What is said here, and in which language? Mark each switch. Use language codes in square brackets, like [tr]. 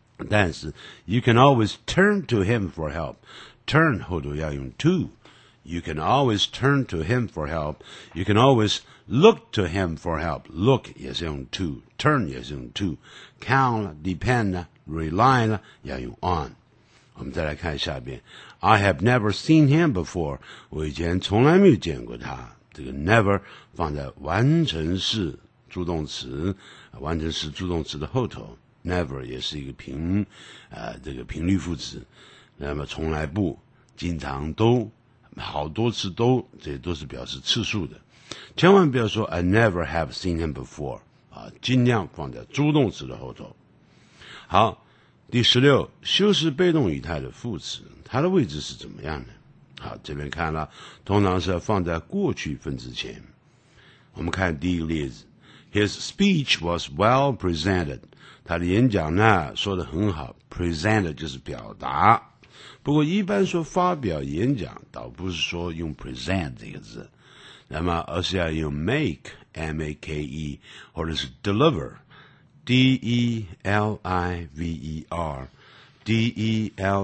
[zh] 但是 [en] You can always turn to him for help， Turn [zh] 后头要用 [en] to， You can always turn to him for help， You can always look to him for help， Look [zh] 也是用 [en] to， Turn 也是用 to， Count， Depend， Rely [zh] 要用 [en] on。 [zh] 我们再来看下边， [en] I have never seen him before， [zh] 我以前从来没有见过他，这个 never 放在完成式助动词，完成式助动词的后头， never 也是一个频这个频率副词，那么从来不，经常都，好多次都，这都是表示次数的，千万不要说 [en] I never have seen him before， [zh] 啊，尽量放在助动词的后头。好，第十六，修饰被动语态的副词，它的位置是怎么样的？好，这边看了，通常是放在过去分词前。我们看第一个例子， [en] His speech was well presented， [zh] 他的演讲呢说得很好， presented 就是表达，不过一般说发表演讲倒不是说用 present 这个字，那么而是要用 make， M-A-K-E， 或者是 deliver，D-E-L-I-V-E-R D-E-L-I-V-E-R